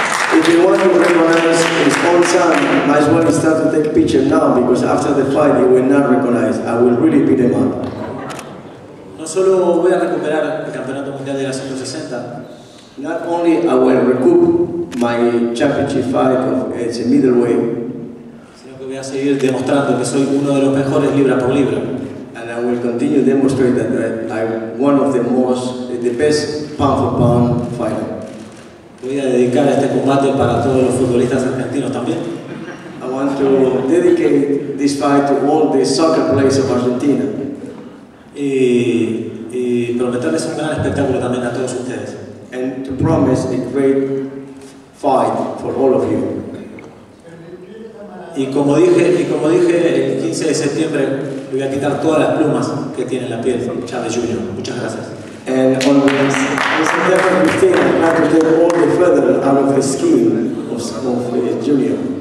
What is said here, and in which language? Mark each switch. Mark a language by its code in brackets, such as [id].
[en] If you want to recognize his own son, might as well start to take picture now, because after the fight he will not recognize. I will really beat him up. [es] No solo voy a recuperar el campeonato mundial de las 160. [en] Not only I will recoup my championship fight of it's a middleweight. [es] Sino que voy a seguir demostrando que soy uno de los mejores libra por libra. [en] And I will continue demonstrating that I'm one of the best pound for pound fighter. [es] Voy a dedicar este combate para todos los futbolistas argentinos también. [en] I want to dedicate this fight to all the soccer players of Argentina. [es] Y prometerles un gran espectáculo también a todos ustedes. [en] And to promise a great fight for all of you. [es] Y como dije, el 15 de septiembre voy a quitar todas las plumas que tiene la piel Chavez Jr. Muchas gracias. [en] And on September 15th, I'm glad to take all the feather out of his skin of Junior.